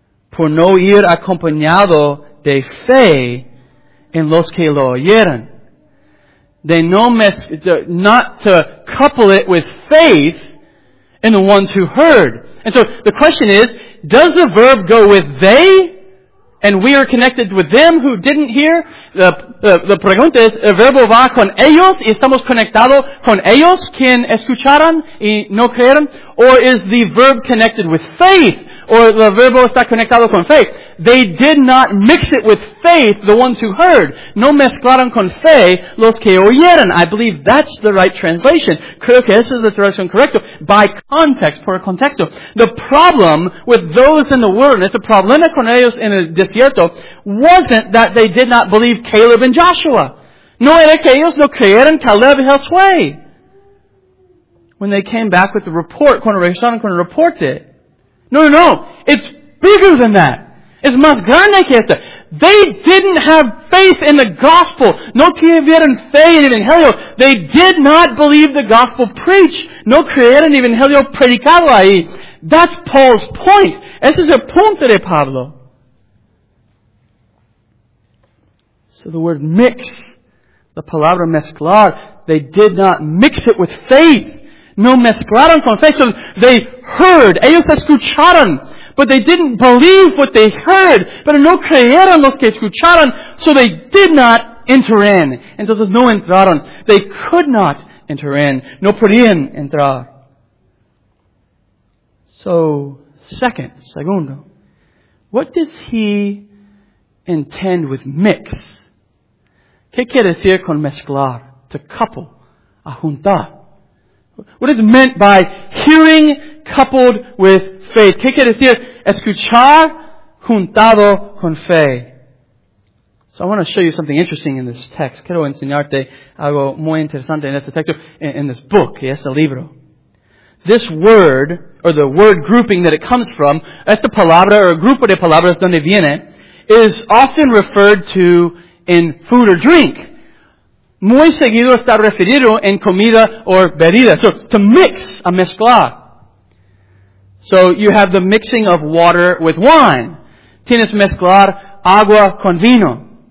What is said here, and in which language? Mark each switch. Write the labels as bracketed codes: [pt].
[es] Por no ir acompañado de fe en los que lo oyeron. [en] Not to couple it with faith in the ones who heard. And so the question is, does the verb go with they? And we are connected with them who didn't hear. [es] The pregunta es, el verbo va con ellos y estamos conectados con ellos quien escucharon y no creyeron? [en] Or is the verb connected with faith? Or the [es] verbo está conectado con [en] faith? They did not mix it with faith, the ones who heard. [es] No mezclaron con fe los que oyeron. [en] I believe that's the right translation. [es] Creo que esa es la traducción correcta. [en] By context, [es] por contexto. [en] The problem with those in the wilderness, the [es] problema con ellos en el desierto, [en] wasn't that they did not believe Caleb and Joshua. [es] No era que ellos no creyeron Caleb y Josué. [en] When they came back with the report, [es] cuando regresaron con el reporte. [en] No. It's bigger than that. [es] Es más grande que esto. [en] They didn't have faith in the gospel. [es] No tuvieron fe en el evangelio. [en] They did not believe the gospel preached. [es] No creyeron el evangelio predicado ahí. [en] That's Paul's point. [es] Ese es el punto de Pablo. [en] So the word mix, [es] la palabra mezclar, [en] they did not mix it with faith. [es] No mezclaron con fe. [en] So they heard. [es] Ellos escucharon. [en] But they didn't believe what they heard. [es] Pero no creyeron los que escucharon. [en] So they did not enter in. [es] Entonces no entraron. [en] They could not enter in. [es] No podían entrar. So, segundo. [en] What does he intend with mix? [es] ¿Qué quiere decir con mezclar? [en] To couple. [es] A juntar. [en] What is meant by hearing coupled with faith? [es] ¿Qué quiere decir? Escuchar juntado con fe. [en] So I want to show you something interesting in this text. [es] Quiero enseñarte algo muy interesante en este texto, [en] in this book, [es] y este libro. [en] This word, or the word grouping that it comes from, [es] esta palabra, [en] or [es] grupo de palabras donde viene, [en] is often referred to in food or drink. [es] Muy seguido está referido en comida o bebida. [en] So, to mix, [es] a mezclar. [en] So you have the mixing of water with wine. [es] Tienes mezclar agua con vino.